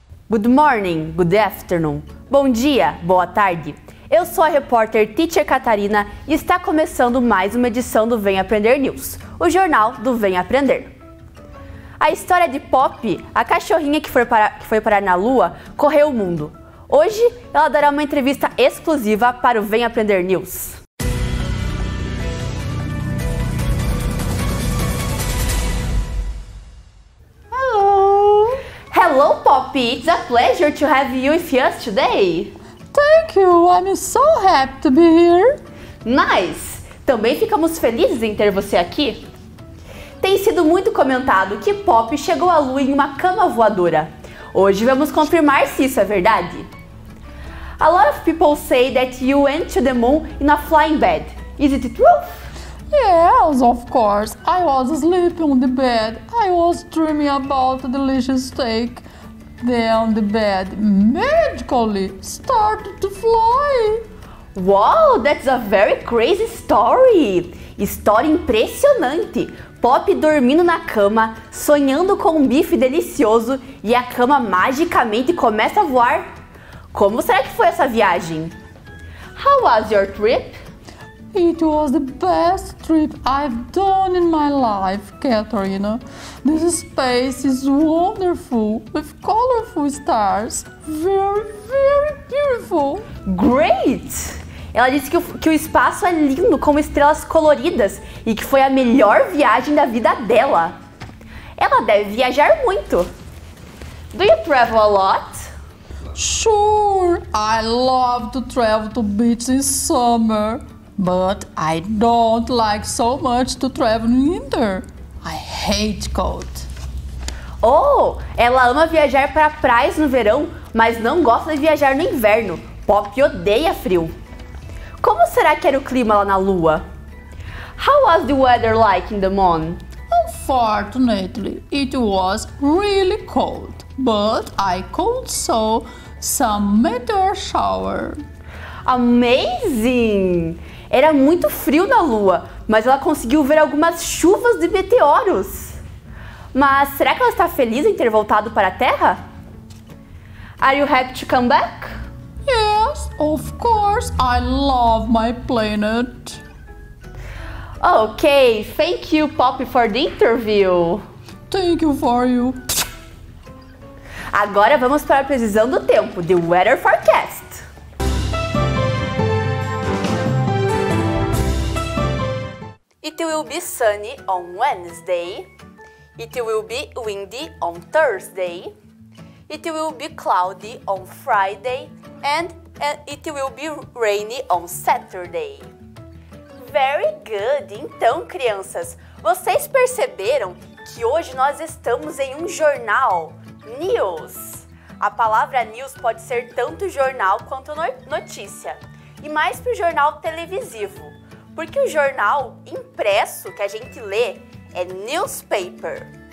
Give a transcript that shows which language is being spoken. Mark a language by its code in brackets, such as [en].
[en] Good morning, good afternoon. [pt] Bom dia, boa tarde. Eu sou a repórter Teacher Catarina e está começando mais uma edição do Vem Aprender News, o jornal do Vem Aprender. A história de Poppy, a cachorrinha que foi parar na Lua, correu o mundo. Hoje, ela dará uma entrevista exclusiva para o Vem Aprender News. [en] Hello! Hello, Poppy! It's a pleasure to have you with us today! Thank you! I'm so happy to be here! Nice! [pt] Também ficamos felizes em ter você aqui. Tem sido muito comentado que Poppy chegou à Lua em uma cama voadora. Hoje vamos confirmar se isso é verdade. [en] A lot of people say that you went to the moon in a flying bed. Is it true? Yes, of course. I was sleeping on the bed. I was dreaming about a delicious steak. Then the bed magically started to fly. Wow, that's a very crazy story. [pt] História impressionante. Poppy dormindo na cama, sonhando com um bife delicioso e a cama magicamente começa a voar. Como será que foi essa viagem? [en] How was your trip? It was the best trip I've done in my life, Katarina. This space is wonderful, with colorful stars. Very, very beautiful. Great! [pt] Ela disse que o espaço é lindo, com estrelas coloridas, e que foi a melhor viagem da vida dela. Ela deve viajar muito. [en] Do you travel a lot? Sure, I love to travel to beaches in summer, but I don't like so much to travel in winter. I hate cold. [pt] Oh, ela ama viajar para praias no verão, mas não gosta de viajar no inverno. Poppy odeia frio. Como será que era o clima lá na Lua? [en] How was the weather like in the moon? Unfortunately, it was really cold, but I could saw some meteor shower. Amazing! [pt] Era muito frio na Lua, mas ela conseguiu ver algumas chuvas de meteoros. Mas será que ela está feliz em ter voltado para a Terra? [en] Are you happy to come back? Yes, of course. I love my planet. Okay, thank you, Poppy, for the interview. Thank you for you. [pt] Agora vamos para a previsão do tempo, [en] the weather forecast. It will be sunny on Wednesday. It will be windy on Thursday. It will be cloudy on Friday. And it will be rainy on Saturday. Very good! [pt] Então, crianças, vocês perceberam que hoje nós estamos em um jornal. News. A palavra news pode ser tanto jornal quanto notícia. E mais para o jornal televisivo. Porque o jornal impresso que a gente lê é newspaper.